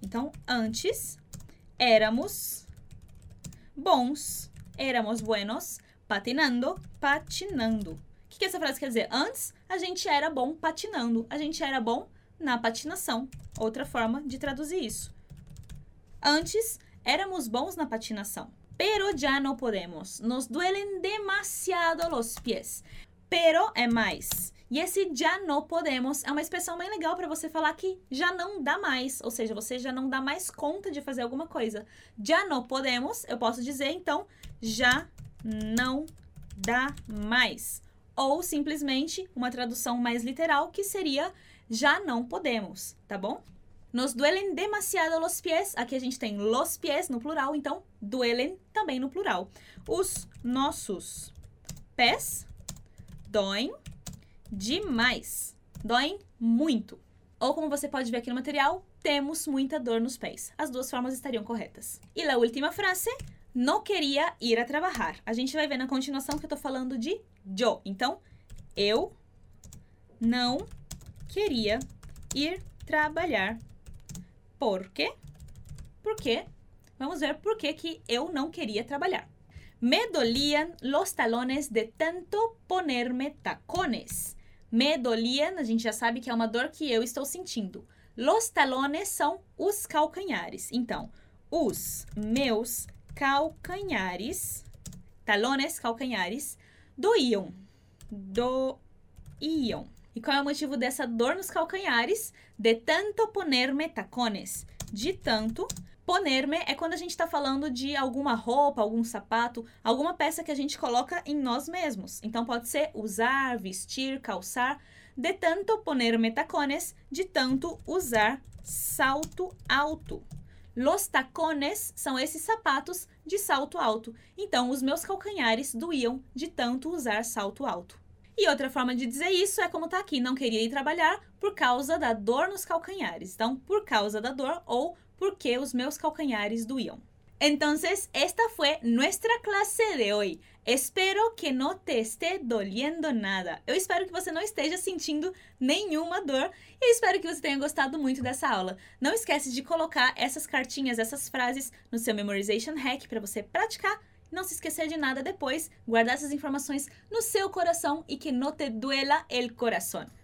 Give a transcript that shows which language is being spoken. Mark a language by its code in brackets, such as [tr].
[pt] Então, antes éramos bons, éramos buenos patinando, patinando. O que essa frase quer dizer? Antes, a gente era bom patinando, a gente era bom na patinação. Outra forma de traduzir isso. Antes, éramos bons na patinação. [es] Pero ya no podemos. Nos duelen demasiado los pies. [pt] Pero é mais. E esse ya no podemos é uma expressão bem legal para você falar que já não dá mais. Ou seja, você já não dá mais conta de fazer alguma coisa. Ya no podemos, eu posso dizer, então, já não dá mais. Ou simplesmente, uma tradução mais literal, que seria já não podemos, tá bom? [es] Nos duelen demasiado los pies. [pt] Aqui a gente tem los pies no plural, então duelen também no plural. Os nossos pés doem demais. Doem muito. Ou como você pode ver aqui no material, temos muita dor nos pés. As duas formas estariam corretas. [es] E la última frase, no quería ir a trabajar. [pt] A gente vai ver na continuação que eu tô falando de yo. Então, eu não queria ir trabalhar. Por quê? Por quê? Vamos ver por que que eu não queria trabalhar. [es] Me dolían los talones de tanto ponerme tacones. [pt] Me dolían, a gente já sabe que é uma dor que eu estou sentindo. Los talones são os calcanhares. Então, os meus calcanhares, talones, calcanhares, doíam. Doíam. E qual é o motivo dessa dor nos calcanhares? [es] De tanto ponerme tacones. De tanto. [pt] Ponerme é quando a gente está falando de alguma roupa, algum sapato, alguma peça que a gente coloca em nós mesmos. Então, pode ser usar, vestir, calçar. De tanto ponerme tacones. De tanto usar salto alto. Los tacones são esses sapatos de salto alto. Então, os meus calcanhares doíam de tanto usar salto alto. E outra forma de dizer isso é como tá aqui, não queria ir trabalhar por causa da dor nos calcanhares. Então, por causa da dor ou porque os meus calcanhares doíam. [es] Entonces, esta fue nuestra clase de hoy. Espero que no te esté doliendo nada. [pt] Eu espero que você não esteja sentindo nenhuma dor e espero que você tenha gostado muito dessa aula. Não esquece de colocar essas cartinhas, essas frases no seu memorization hack para você praticar. Não se esquecer de nada depois, guardar essas informações no seu coração e que no te duela el corazón.